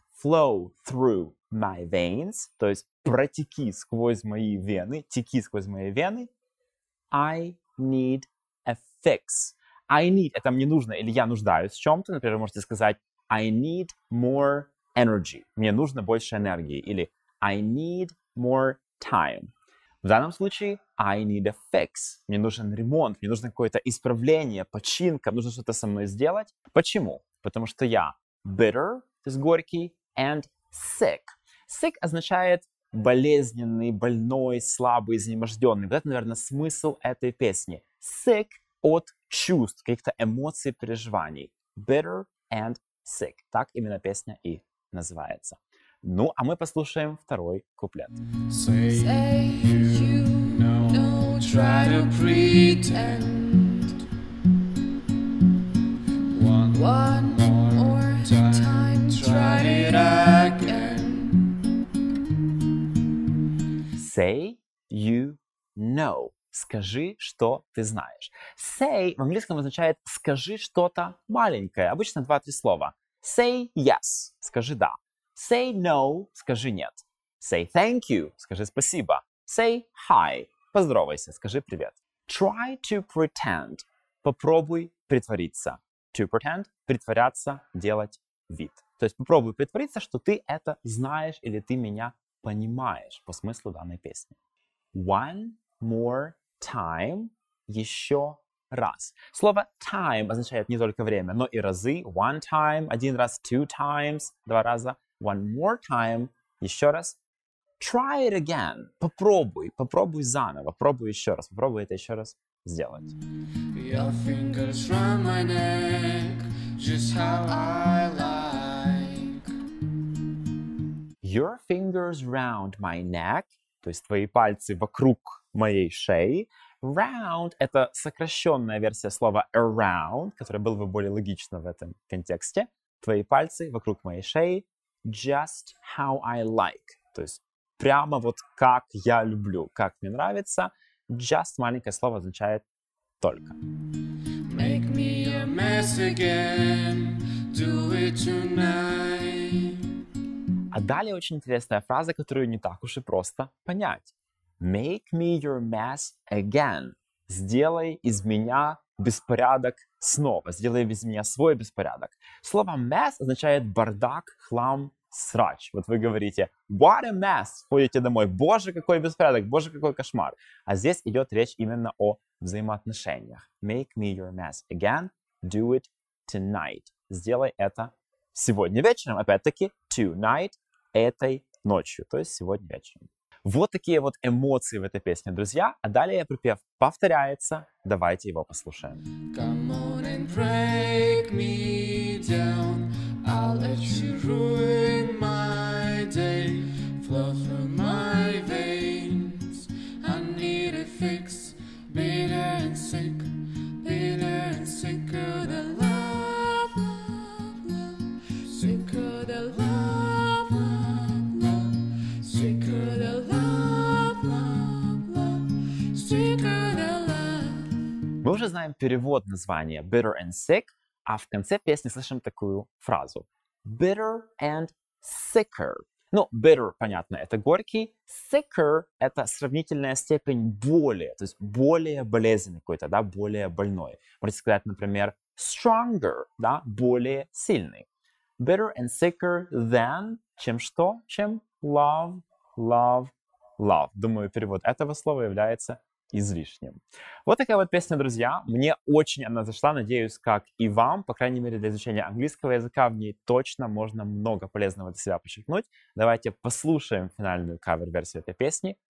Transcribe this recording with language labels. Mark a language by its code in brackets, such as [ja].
[en] Flow through my veins, [ru] то есть протеки сквозь мои вены, теки сквозь мои вены. [en] I need a fix. [ru] I need, это мне нужно, или я нуждаюсь в чем-то, например, вы можете сказать [en] I need more energy. [ru] Мне нужно больше энергии. Или [en] I need more time. [ru] В данном случае [en] I need a fix. [ru] Мне нужен ремонт, мне нужно какое-то исправление, починка, нужно что-то со мной сделать. Почему? Потому что я bitter, то есть горький, [en] and sick. [ru] Sick означает болезненный, больной, слабый, изнеможденный. Вот это, наверное, смысл этой песни. Sick от чувств, каких-то эмоций, переживаний. [en] Bitter and sick. [ru] Так именно песня и называется. Ну, а мы послушаем второй куплет. [en] Say you know, don't try to pretend. One more time, try it again. Say you know. [ru] Скажи, что ты знаешь. Say в английском означает скажи что-то маленькое. Обычно 2-3 слова. [en] Say yes, [ru] скажи да. [en] Say no, [ru] скажи нет. [en] Say thank you. [ru] Скажи спасибо. [en] Say hi. [ru] Поздоровайся. Скажи привет. [en] Try to pretend. [ru] Попробуй притвориться. To pretend. Притворяться. Делать вид. То есть попробуй притвориться, что ты это знаешь или ты меня понимаешь по смыслу данной песни. [en] One more time. [ru] Еще раз. Слово time означает не только время, но и разы. [en] One time. [ru] Один раз. [en] Two times. [ru] Два раза. [en] One more time. [ru] Еще раз. [en] Try it again. [ru] Попробуй. Попробуй заново. Попробуй еще раз. Попробуй это еще раз сделать. [en] Your fingers round my neck, just how I like. Your fingers round my neck. [ru] То есть твои пальцы вокруг моей шеи. Round — это сокращенная версия слова around, которое было бы более логично в этом контексте. Твои пальцы вокруг моей шеи. [en] Just how I like. [ru] То есть прямо вот как я люблю, как мне нравится. Just — маленькое слово означает только. [en] Make me a mess again. Do it tonight. [ru] А далее очень интересная фраза, которую не так уж и просто понять. [en] Make me your mess again. [ru] Сделай из меня беспорядок снова. Сделай из меня свой беспорядок. Слово mess означает бардак, хлам, срач. Вот вы говорите, [en] what a mess, [ru] ходите домой, боже, какой беспорядок, боже, какой кошмар. А здесь идет речь именно о взаимоотношениях. [en] Make me your mess again, do it tonight. [ru] Сделай это сегодня вечером, опять-таки, tonight, этой ночью, то есть сегодня вечером. Вот такие вот эмоции в этой песне, друзья. А далее припев повторяется, давайте его послушаем. [en] Come on and break me down. I'll let you ruin my day, flow through my veins. I need a fix, bitter and sick, bitter and sick of the love, love, love, sick of the love, love, love, sick of the love, love, love, sick of the love. [ru] Мы уже знаем перевод названия Bitter and Sick. А в конце песни слышим такую фразу. [en] Bitter and sicker. [ru] Ну, bitter, понятно, это горький. Sicker — это сравнительная степень боли. То есть более болезненный какой-то, да, более больной. Можете сказать, например, stronger, да, более сильный. [en] Bitter and sicker than, [ru] чем что? Чем love, love, love. Думаю, перевод этого слова является излишним. Вот такая вот песня, друзья. Мне очень она зашла, надеюсь, как и вам. По крайней мере, для изучения английского языка в ней точно можно много полезного для себя почерпнуть. Давайте послушаем финальную кавер-версию этой песни.